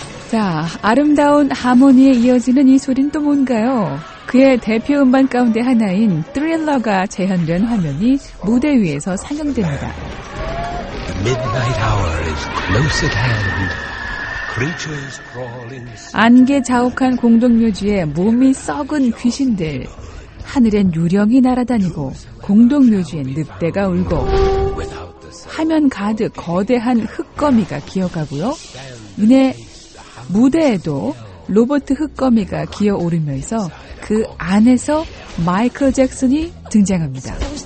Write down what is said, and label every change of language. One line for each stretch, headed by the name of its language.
Korean: 자, 아름다운 하모니에 이어지는 이 소리는 또 뭔가요? 그의 대표 음반 가운데 하나인 Thriller가 재현된 화면이 무대 위에서 상영됩니다.
English: The midnight hour is close at hand. Creatures crawl in.
Korean: 안개 자욱한 공동묘지에 몸이 썩은 귀신들. 하늘엔 유령이 날아다니고 공동묘지엔 늑대가 울고 화면 가득 거대한 흑거미가 기어가고요. 이내 무대에도 로버트 흑거미가 기어오르면서 그 안에서 마이클 잭슨이 등장합니다.